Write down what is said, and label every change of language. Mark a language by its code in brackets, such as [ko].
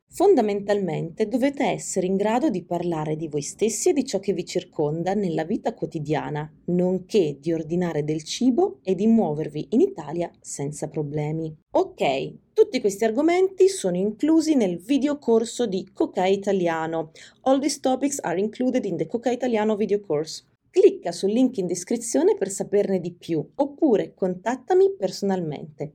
[it] Fondamentalmente dovete essere in grado di parlare di voi stessi e di ciò che vi circonda nella vita quotidiana, nonché di ordinare del cibo e di muovervi in Italia senza problemi. Ok, tutti questi argomenti sono inclusi nel videocorso di Coca Italiano. [en] All these topics are included in the Coca Italiano videocourse. [it] Clicca sul link in descrizione per saperne di più, oppure contattami personalmente.